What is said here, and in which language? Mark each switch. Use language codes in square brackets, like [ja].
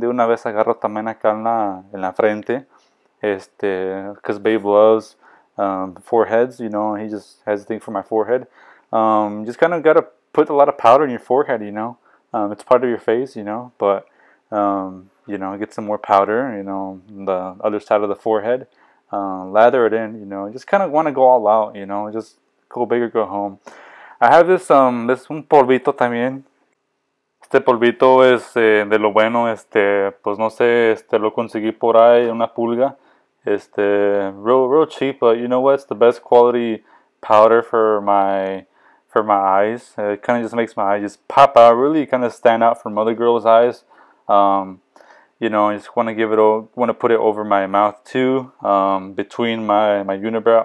[es] De una vez agarro también acá en la frente. [en] Because babe loves foreheads, you know, he just has a thing for my forehead. Just kind of got to put a lot of powder in your forehead, you know. It's part of your face, you know, but you know, get some more powder, you know, the other side of the forehead. Lather it in, you know, just kind of want to go all out, you know, just go big or go home. I have this this [es] un polvito también. Polvito es de lo bueno. Pues no sé, lo conseguí por ahí una pulga. [en] Real cheap, but you know what? It's the best quality powder for my eyes. It kind of just makes my eyes just pop out, really kind of stand out from other girls' eyes. You know, I just want to give it, want to put it over my mouth too, between my unibrow.